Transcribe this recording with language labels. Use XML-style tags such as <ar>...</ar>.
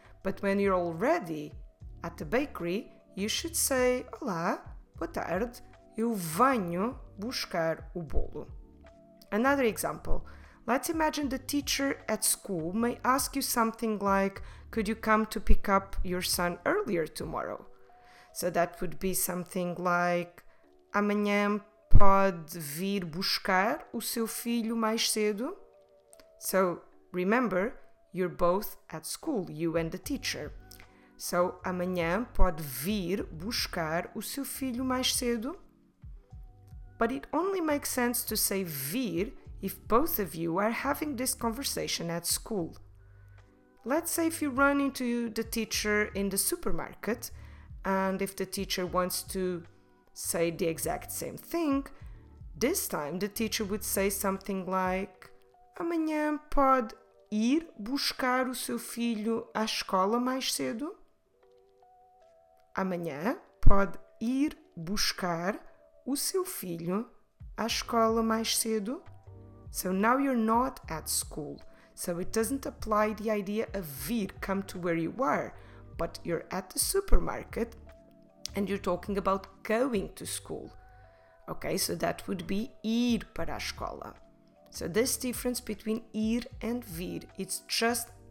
<en>But when you're already at the bakery, you should say,</en> <pt>olá, boa tarde, eu venho buscar o bolo.</pt> <en>Another example. Let's imagine the teacher at school may ask you something like, could you come to pick up your son earlier tomorrow? So that would be something like,</en> <pt>amanhã pode vir buscar o seu filho mais cedo?</pt> <en>So remember, you're both at school, you and the teacher.</en> <pt>So, amanhã pode vir buscar o seu filho mais cedo?</pt> <en>But it only makes sense to say vir if both of you are having this conversation at school. Let's say if you run into the teacher in the supermarket, and if the teacher wants to say the exact same thing, this time the teacher would say something like,</en> <pt>amanhã pode ir buscar o seu filho à escola mais cedo? Amanhã pode ir buscar o seu filho à escola mais cedo?</pt> <en>So now you're not at school. So it doesn't apply the idea of vir come to where you are. But you're at the supermarket and you're talking about going to school. Okay, so that would be</en> <pt>ir para a escola.</pt> <en>So this difference between ir and vir, it's just</en>